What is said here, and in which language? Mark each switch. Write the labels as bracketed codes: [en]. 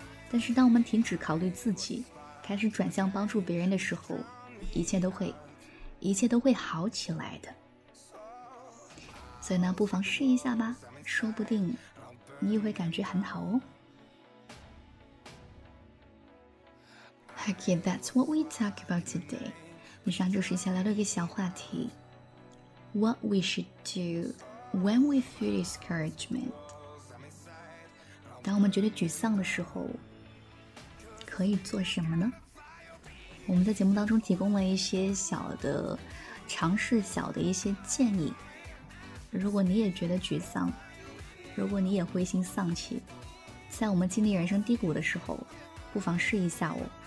[zh] 但是当我们停止考虑自己，开始转向帮助别人的时候，一切都会好起来的。所以呢，不妨试一下吧，说不定你也会感觉很好哦。 [en] Okay, that's what we talk about today. [zh] 以上就是下来的一个小话题。 [en] What we should do when we feel discouragement. [zh] 当我们觉得沮丧的时候，可以做什么呢？我们在节目当中提供了一些小的尝试，小的一些建议。如果你也觉得沮丧，如果你也灰心丧气，在我们经历人生低谷的时候，不妨试一下哦。